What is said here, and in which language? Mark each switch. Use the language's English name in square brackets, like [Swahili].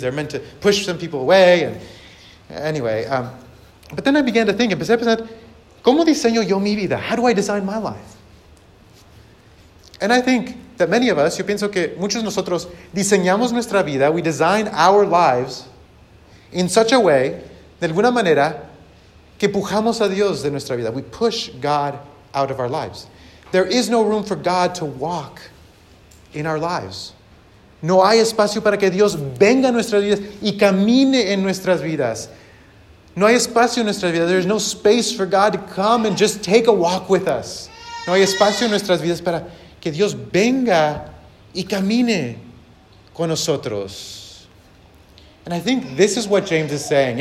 [English] They're meant to push some people away. And anyway, but then I began to think, [Spanish] empecé a pensar, ¿cómo diseño yo mi vida? [English] How do I design my life? And I think that many of us, [Spanish] yo pienso que muchos de nosotros diseñamos nuestra vida, [English] we design our lives in such a way, [Spanish] de alguna manera, que pujamos a Dios de nuestra vida. [English] We push God out of our lives. There is no room for God to walk in our lives. [Spanish] No hay espacio para que Dios venga a nuestras vidas y camine en nuestras vidas. No hay espacio en nuestras vidas. [English] There's no space for God to come and just take a walk with us. [Spanish] No hay espacio en nuestras vidas para que Dios venga y camine con nosotros. [English] And I think this is what James is saying.